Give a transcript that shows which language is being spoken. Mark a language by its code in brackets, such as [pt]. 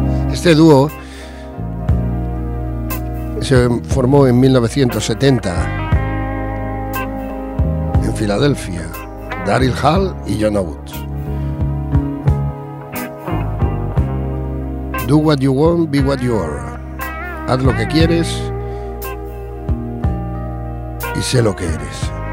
[es] Este dúo se formó en 1970 en Filadelfia, Daryl Hall y John Oates. [en] Do what you want, be what you are. [es] Haz lo que quieres y sé lo que eres.